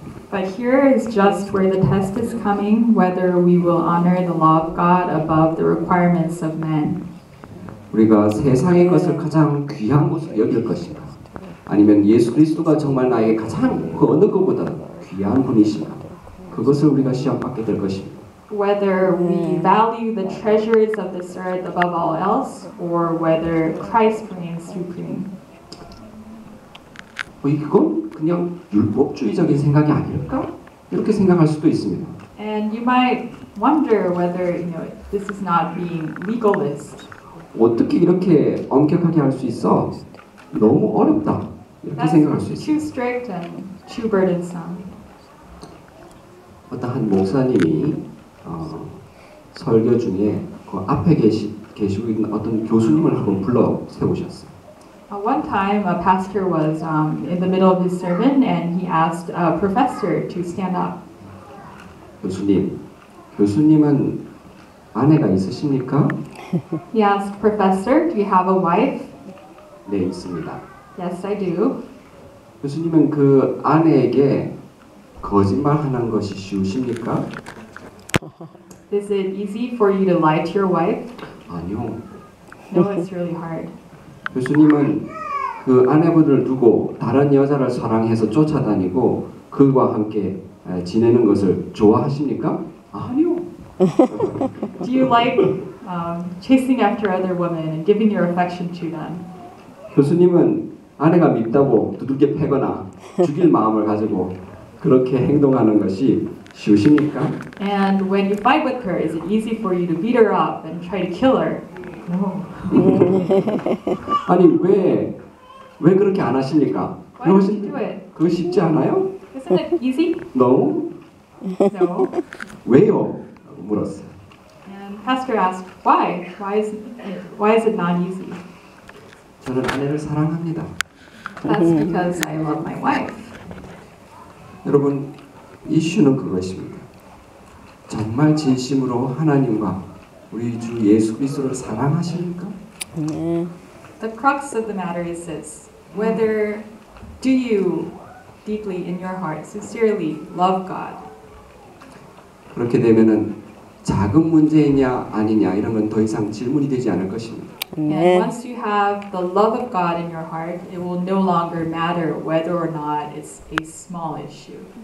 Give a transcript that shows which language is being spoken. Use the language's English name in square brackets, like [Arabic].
[English] But here is just where the test is coming, whether we will honor the law of God above the requirements of men. [Korean] 우리가 세상의 것을 가장 귀한 것으로 여길 것인가? 아니면 예수 그리스도가 정말 나에게 가장 그 어느 것보다 귀한 분이신가? 그것을 우리가 시험받게 될 것입니다. [English] Whether we value the treasures of this earth above all else, or whether Christ reigns supreme. [Korean] 이건 그냥 율법주의적인 생각이 아닐까? 이렇게 생각할 수도 있습니다. [English] And you might wonder whether you know this is not being legalist. [Korean] 어떻게 이렇게 엄격하게 할 수 있어? 너무 어렵다. 이렇게 생각할 수 있어요. [English] Too strict and too burdensome. [Korean] 어떤 한 목사님이 설교 중에 그 앞에 계시고 있는 어떤 교수님을 한번 불러 세우셨어요. [English] One time a pastor was in the middle of his sermon and he asked a professor to stand up. [Korean] 교수님은 아내가 있으십니까? [English] He asked, "Professor, do you have a wife?" [Korean] 네, 있습니다. [English] Yes, I do. [Korean] 교수님은 그 아내에게 거짓말하는 것이 쉬우십니까? [English] Is it easy for you to lie to your wife? [Korean] 아니요. [English] No, it's really hard. [Korean] 교수님은 그 아내분을 두고 다른 여자를 사랑해서 쫓아다니고 그와 함께 지내는 것을 좋아하십니까? 아니요. [English] Do you like chasing after other women and giving your affection to them? [Korean] 교수님은 아내가 밉다고 두들겨 패거나 죽일 마음을 가지고 그렇게 행동하는 것이 쉬우십니까? [English] And when you fight with her, is it easy for you to beat her up and try to kill her? No. [Korean] 아니 왜 그렇게 안 하십니까? [English] Why don't you do it? [Korean] 그거 쉽지 않아요? [English] Isn't it easy? No. No. [Korean] 왜요? 물었어요. [English] And pastor asked why? Why is it not easy? [Korean] 저는 아내를 사랑합니다. [English] That's because I love my wife. [Korean] 여러분, 이슈는 그것입니다. 정말 진심으로 하나님과 우리 주 예수 그리스도를 사랑하십니까? [English] The crux of the matter is this. Whether do you deeply in your heart sincerely love God? [Korean] 그렇게 되면은 작은 문제이냐 아니냐 이런 건 더 이상 질문이 되지 않을 것입니다. [English] And once you have the love of God in your heart, it will no longer matter whether or not it's a small issue.